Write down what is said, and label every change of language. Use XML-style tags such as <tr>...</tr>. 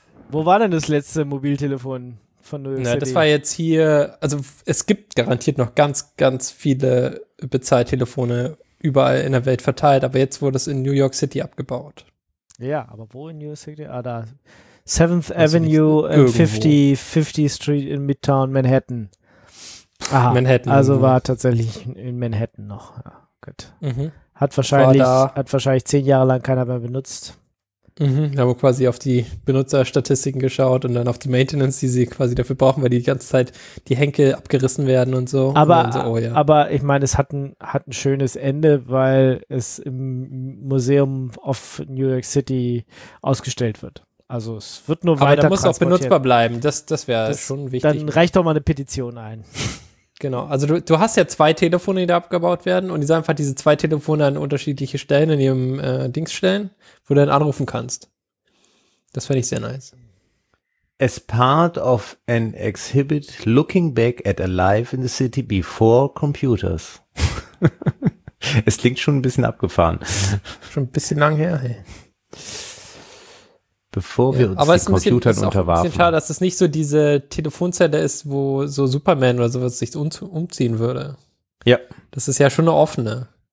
<de>Wo war denn das letzte Mobiltelefon von New York City? Na, das war jetzt hier, also es gibt garantiert noch ganz, ganz viele Bezahltelefone überall in der Welt verteilt, aber jetzt wurde es in New York City abgebaut. Ja, aber wo in New York City? Ah, da.</de> <en>7th Avenue and 50 Street in Midtown, Manhattan.</en> <de>Aha, Manhattan. Also war tatsächlich in Manhattan noch. Ja, gut. Mhm. Hat wahrscheinlich 10 Jahre lang keiner mehr benutzt. Mhm, haben quasi auf die Benutzerstatistiken geschaut und dann auf die Maintenance, die sie quasi dafür brauchen, weil die ganze Zeit die Henkel abgerissen werden und so. Aber, und so, oh ja. Aber ich meine, es hat ein schönes Ende, weil es im Museum of New York City ausgestellt wird. Also es wird nur weiter transportiert. Aber da muss auch benutzbar bleiben, das wäre schon wichtig. Dann reicht doch mal eine Petition ein. Genau, also du hast ja 2 Telefone, die da abgebaut werden und die sollen einfach diese 2 Telefone an unterschiedliche Stellen in ihrem Dings stellen, wo du dann anrufen kannst. Das fände ich sehr nice.</de> <en>As part of an exhibit looking back at a life in the city before computers.</en> <de>Es klingt schon ein bisschen abgefahren. Schon ein bisschen lang her, hey. Bevor wir uns den Computern unterwarfen. Aber es ist ein bisschen schade, dass es nicht so diese Telefonzelle ist, wo so Superman oder sowas sich umziehen würde. Ja. Das ist ja schon eine offene.</de>